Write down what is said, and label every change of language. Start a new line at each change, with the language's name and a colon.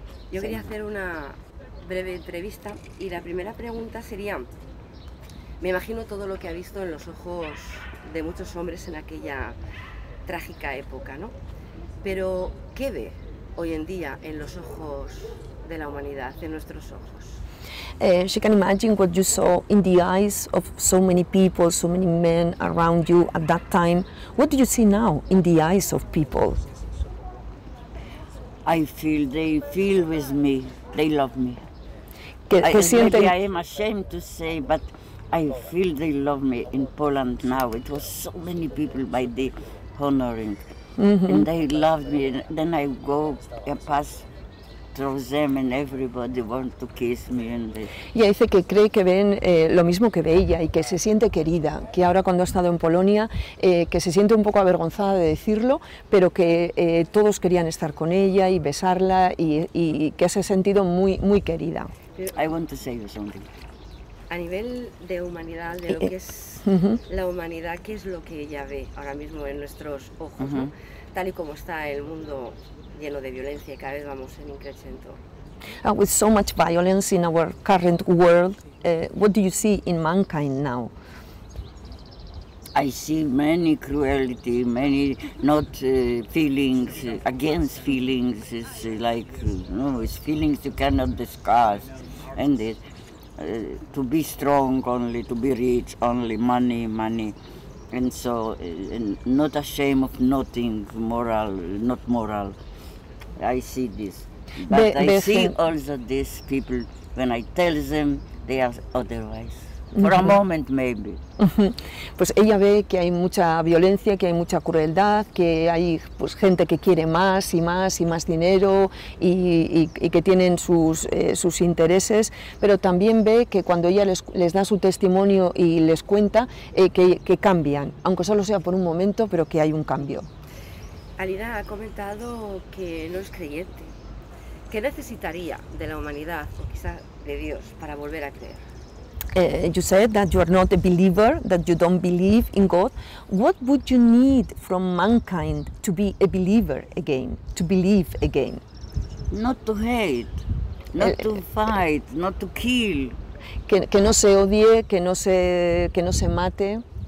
Spanish: Yo quería hacer una breve entrevista y la primera pregunta sería, me imagino todo lo que ha visto en los ojos de muchos hombres en aquella trágica época, ¿no? Pero, ¿qué ve hoy en día en los ojos de la humanidad, en nuestros ojos?
English: She can imagine what you saw in the eyes of so many people, so many men around you at that time. What do you see now in the eyes of people? I feel they feel with me. They love me.
Spanish: ¿Qué sienten?
English: I am ashamed to say, but I feel they love me in Poland now. It was so many people by the honoring, mm-hmm. and they loved me. And then I go and pass through them, and everybody wants to kiss me. And
Spanish: y dice que cree que ven lo mismo que ve ella y que se siente querida. Que ahora cuando ha estado en Polonia, que se siente un poco avergonzada de decirlo, pero que todos querían estar con ella y besarla y que se ha sentido muy muy querida.
English: I want to say you something.
Spanish: A nivel de humanidad, de lo que es uh-huh. la humanidad, ¿qué es lo que ella ve ahora mismo en nuestros ojos? Uh-huh. ¿No? Tal y como está el mundo lleno de violencia y cada vez vamos en increciento.
English: With so much violence in our current world, what do you see in mankind now? I see many cruelty, many not feelings, against feelings. It's like, no, it's feelings you cannot discuss. And it, to be strong only, to be rich only, money, and so and not ashamed of nothing, moral, not moral. I see this, but I see also these people, when I tell them, they are otherwise. For a moment, maybe.
Spanish: Pues ella ve que hay mucha violencia, que hay mucha crueldad, que hay pues gente que quiere más y más y más dinero y que tienen sus sus intereses, pero también ve que cuando ella les da su testimonio y les cuenta que cambian, aunque solo sea por un momento, pero que hay un cambio. Alida ha comentado que no es creyente. ¿Qué necesitaría de la humanidad o quizá de Dios para volver a creer?
English: You said that you are not a believer, that you don't believe in God. What would you need from mankind to be a believer again, to believe again? Not to hate, not to fight, not to kill.
Spanish: Que no se odie, que no se mate.